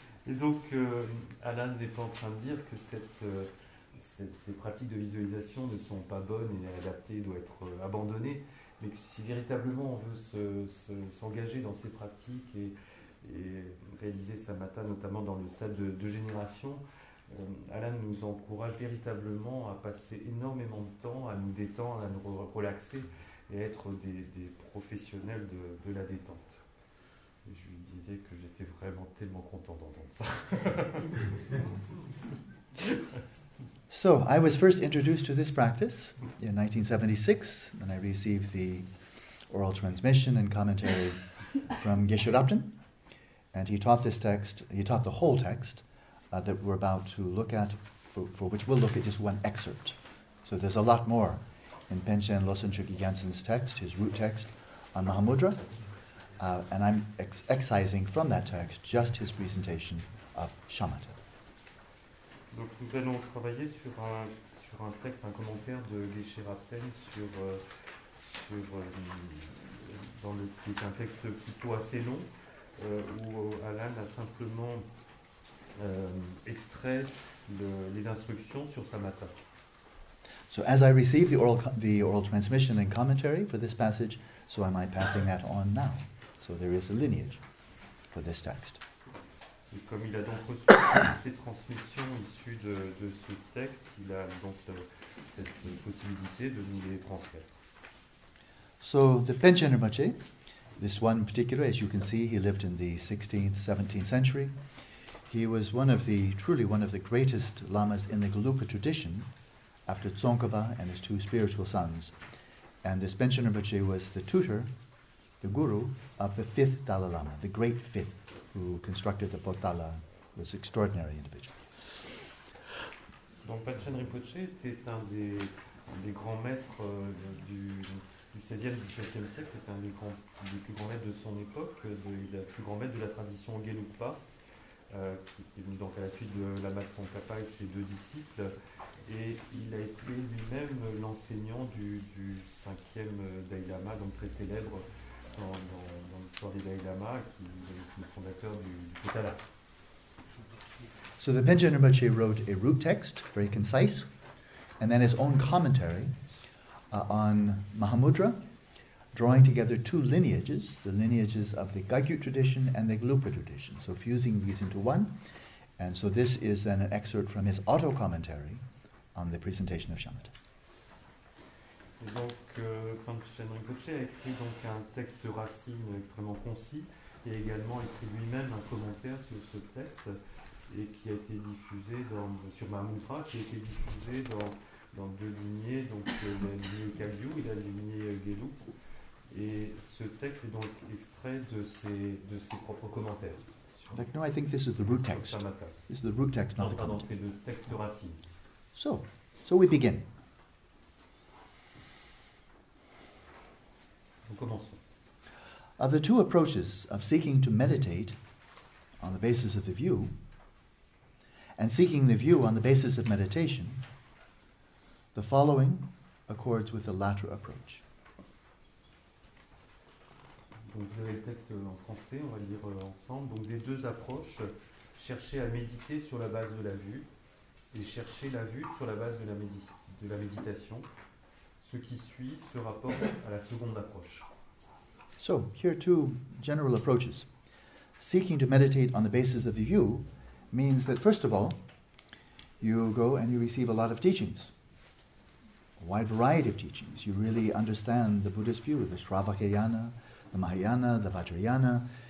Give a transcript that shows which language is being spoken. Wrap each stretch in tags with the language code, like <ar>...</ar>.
<fr>Et donc, Alan n'est pas en train de dire que ces pratiques de visualisation ne sont pas bonnes et adaptées, doivent être abandonnées, mais que si véritablement on veut s'engager dans ces pratiques et réaliser Samatha, notamment dans le stade de génération, Alan nous encourage véritablement à passer énormément de temps à nous détendre, à nous relaxer et à être des professionnels de la détente. Et je lui disais que j'étais vraiment tellement content d'entendre ça.</fr> <en>So, I was first introduced to this practice in 1976, when I received the oral transmission and commentary from Geshe Rabdin, and he taught the whole text that we're about to look at, for which we'll look at just one excerpt. So there's a lot more in Penchen Losen Chögyi Gyantsen's text, his root text on Mahamudra, and I'm excising from that text just his presentation of shamatha.</en> <fr>Donc nous allons travailler sur un texte, un commentaire de Geshe Rabdin qui est un texte plutôt assez long, où Alan a simplement extrait les instructions sur Samatha.</fr> <en>So as I received the oral transmission and commentary for this passage, so am I passing that on now. So there is a lineage for this text.</en> <fr>Et comme il a donc reçu les transmissions issues de ce texte, il a donc cette possibilité de nous les transmettre.</fr> <en>So the Penchen Rinpoche, this one particular, as you can see, he lived in the 16th, 17th century. He was one of the greatest lamas in the Gelugpa tradition, after Tsongkhapa and his two spiritual sons. And this Penchen Rinpoche was the tutor, the guru, of the fifth Dalai Lama, the great fifth, who constructed the Potala, this extraordinary individual.</en> <fr>Donc Penchen Rinpoche était un des grands maîtres du 16e, 17e siècle, c'était un des plus grands maîtres de son époque, le plus grand maître de la tradition Gelugpa, qui est venu donc à la suite de Lama Tsongkhapa et ses deux disciples, et il a été lui-même l'enseignant du 5e Dalai Lama, donc très célèbre dans l'histoire des Dalai Lama, qui est le fondateur du Potala.</fr> <en>So the Penchen Rinpoche wrote a root text, very concise, and then his own commentary on Mahamudra, drawing together two lineages, the lineages of the Gagyu tradition and the Gelugpa tradition, so fusing these into one. And so this is then an excerpt from his auto-commentary on the presentation of shamatha.</en> <fr>Donc, Penchen Rinpoche a écrit donc un texte racine extrêmement concis, et également écrit lui-même un commentaire sur ce texte, et qui a été diffusé sur Mahamudra, qui a été diffusé dans dans deux lignées, donc il a une lignée Kabyu et la lignée Gelou. Et ce texte est donc extrait de ses propres commentaires.</fr> <en>Like, no, I think this is the root text. This is the root text, not the commentary.</en> <fr>C'est le texte racine.</fr> <en>So we begin.</en> <fr>Nous commençons.</fr> <en>Of the two approaches of seeking to meditate on the basis of the view, and seeking the view on the basis of meditation, the following accords with the latter approach.</en> <fr>Donc vous avez le texte en français, on va le lire ensemble. Donc des deux approches, chercher à méditer sur la base de la vue et chercher la vue sur la base de la méditation. Ce qui suit se rapporte à la seconde approche.</fr> <en>So, here are two general approaches. Seeking to meditate on the basis of the view means that, first of all, you go and you receive a lot of teachings, a wide variety of teachings. You really understand the Buddhist view, the Shravakayana, the Mahayana, the Vajrayana.</en>